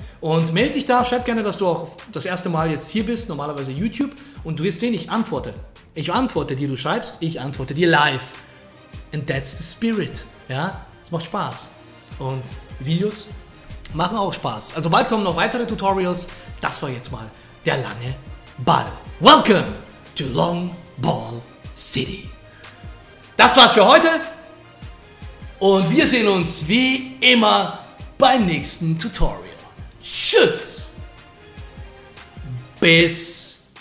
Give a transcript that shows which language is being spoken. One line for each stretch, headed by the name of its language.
German: Und melde dich da, schreib gerne, dass du auch das erste Mal jetzt hier bist, normalerweise YouTube. Und du wirst sehen, ich antworte. Ich antworte dir, du schreibst, ich antworte dir live.
English: And that's the spirit.
German: Ja, es macht Spaß. Und Videos machen auch Spaß. Also bald kommen noch weitere Tutorials. Das war jetzt mal der lange Ball.
English: Welcome to Long Ball City.
German: Das war's für heute. Und wir sehen uns wie immer beim nächsten Tutorial. Tschüss! Bis dann!